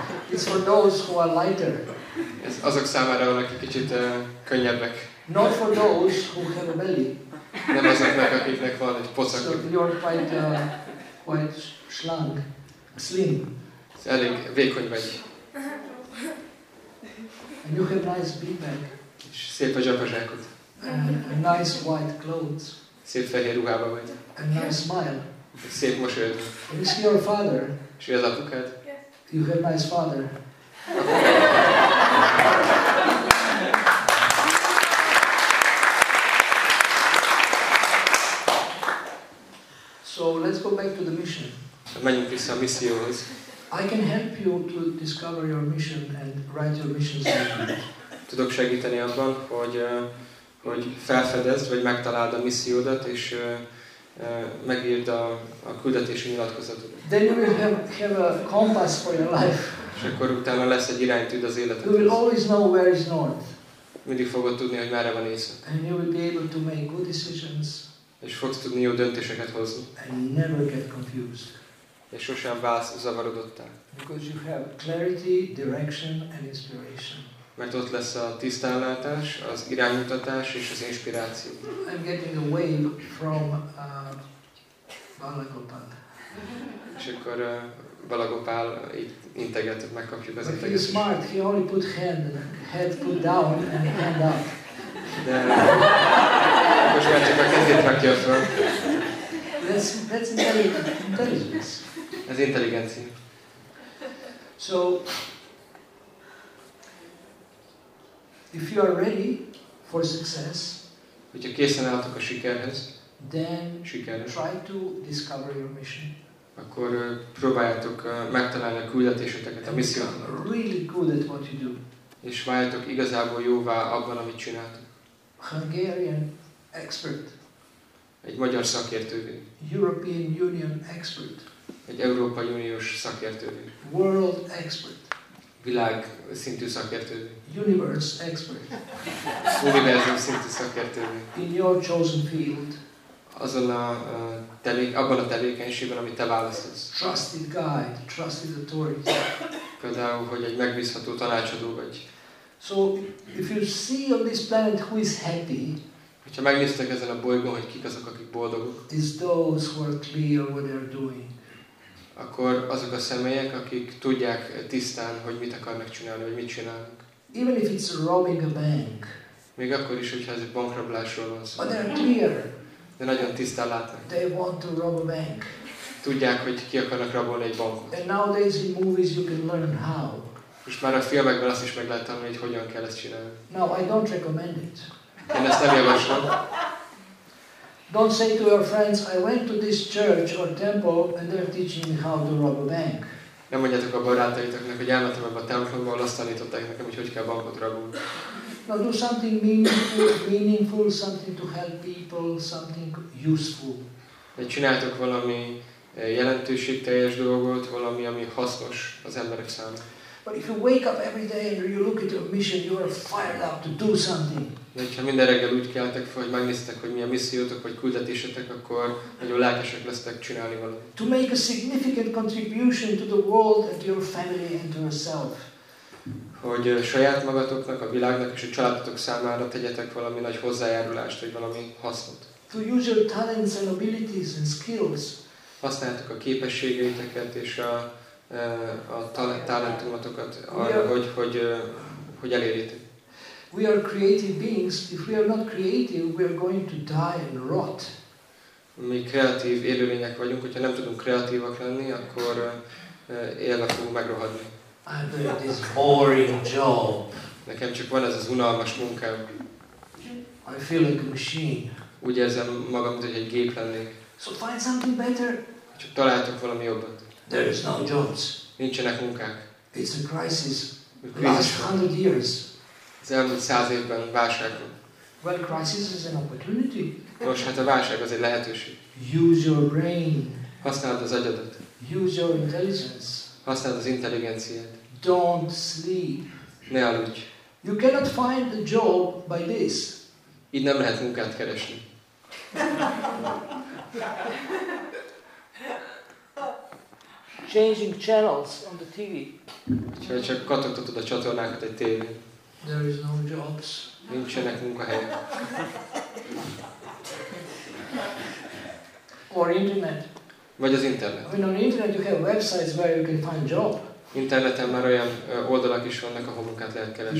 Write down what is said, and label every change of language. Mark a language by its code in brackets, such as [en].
[en] It's for those who are lighter. [hu] Ez azok számára, akik kicsit könnyebbek. [en] Not for those who have a belly. [hu] Nem azoknak, akiknek van egy pocak. [en] So you're quite slank, slim. [hu] Ez elég vékony vagy. [en] And you have nice big bag. [hu] És szép a zsapazsákod. [en] And nice white clothes. [hu] Szép fehér ruhába vagy. [en] And nice smile. [hu] Szép mosolyod. [en] Is he your father? [hu] És ő az apukád? [en] Yes. You have nice father. So let's go back to the mission. [hu] Menjünk vissza a misszióhoz. [en] I can help you to discover your mission and write your mission statement. [hu] Tudok segíteni abban, hogy felfedezd, vagy megtaláld a missziódat, és megírd a küldetési nyilatkozatot. [en] Then you will have a compass for your life. [hu] És akkor utána lesz egy iránytűd az életed. [en] You will always know where is north. [hu] Mindig fogod tudni, hogy merre van észak. [en] And you will be able to make good decisions. [hu] És fogsz tudni jó döntéseket hozni. [en] And never get confused. [hu] És sosem válsz zavarodottá. [en] Because you have clarity, direction and inspiration. [hu] Mert ott lesz a tisztánlátás, az iránymutatás és az inspiráció. [en] I'm getting a wave from Balagopal. [hu] És akkor Balagopal itt integet, megkapjuk az integet. [en] He's smart, he only put head put down and hand up. [hu] De most már csak a kezét rakja föl. [en] That's intelligence. [hu] Ez intelligencia. [en] So, if you are ready for success, [hu] hogyha készen álltok a sikerhez, [en] then [hu] sikerhez, [en] try to discover your mission. [hu] Akkor próbáljátok megtalálni a küldetéseteket, a missziót. [en] Really good at what you do. [hu] És váljatok igazából jóvá abban, amit csináltok. [en] Hungarian expert. [hu] Egy magyar szakértővé. [en] European Union expert. [hu] Egy Európai Uniós szakértővé. [en] World expert. [hu] Világ szintű szakértő. [en] Universe expert. [hu] Univerzum szintű szakértővé. [en] In your chosen field. [hu] Azon a abban a tevékenységben, amit te választasz. [en] Trusted guide, trusted authority. [hu] Például, hogy egy megbízható tanácsadó vagy. [en] So, if you see on this planet who is happy. [hu] Hogyha megnéztek ezen a bolygón, hogy kik azok, akik boldogok. [en] Is those who are clear what they are doing. [hu] Akkor azok a személyek, akik tudják tisztán, hogy mit akarnak csinálni, vagy mit csinálnak. [en] Even if it's robbing a bank. [hu] Még akkor is, hogyha ez egy bankrablásról van szó. [en] But they're clear. [hu] De nagyon tisztán látnak. [en] They want to rob a bank. [hu] Tudják, hogy ki akarnak rabolni egy bankot. [en] And nowadays in movies you can learn how. [hu] És már a filmekben azt is meg lehet tanulni, hogy hogyan kell ezt csinálni. [en] No, I don't recommend it. [hu] Én ezt nem javaslom. [en] Don't say to your friends, I went to this church or temple and they're teaching me how to rob a bank. [hu] Nem mondjátok a barátaitoknak, hogy elmentem ebbe a templomba, azt tanították nekem, hogy hogy kell bankot rabolni. [en] No, do something meaningful, something to help people, something useful. [hu] De csináltok valami jelentőségteljes dolgot, valami, ami hasznos az emberek számára. [en] But if you wake up every day and you look at your mission, you are fired up to do something. [hu] De ha minden reggel úgy keltek fel, hogy megnéztek, hogy mi a missziótok vagy küldetésetek, akkor nagyon lelkesek lesztek csinálni valamit. [en] To make a significant contribution to the world and your family and to yourself. [hu] Hogy saját magatoknak, a világnak és a családotok számára tegyetek valami nagy hozzájárulást vagy valami hasznot. [en] To use your talents and abilities and skills. [hu] Használjátok a képességeiteket és a talentumotokat arra, hogy elérjétek. [en] We are creative beings. If we are not creative, we are going to die and rot. [hu] Mi kreatív élőlények vagyunk, hogyha nem tudunk kreatívak lenni, akkor élve fogunk megrohadni. [en] I have this boring job. [hu] Nekem csak van ez az unalmas munkám. [en] I feel like a machine. [hu] Úgy érzem magam, mint hogy egy gép lennék. [en] So find something better. [hu] Csak találtok valami jobbat. [en] There is no jobs. [hu] Nincsenek munkák. [en] It's a crisis. Last 100 years. [hu] Az elmúlt 100 évben válság van. [en] Well, crisis is an opportunity. [hu] Nos, hát a válság az egy lehetőség. [en] Use your brain. [hu] Használd az agyadat. [en] Use your intelligence. [hu] Használd az intelligenciát. [en] Don't sleep. [hu] Ne aludj. [en] You cannot find a job by this. [hu] Így nem lehet munkát keresni. [en] Changing channels on the TV. [hu] Ha csak kattogtatod a csatornákat egy tévé. [en] There is no jobs. [hu] Nincsenek munkahelyek. [en] Or internet. [hu] Vagy az internet. [en] I mean, on the internet you have websites where you can find job. [hu] Interneten már olyan oldalak is vannak, ahol munkát lehet keresni.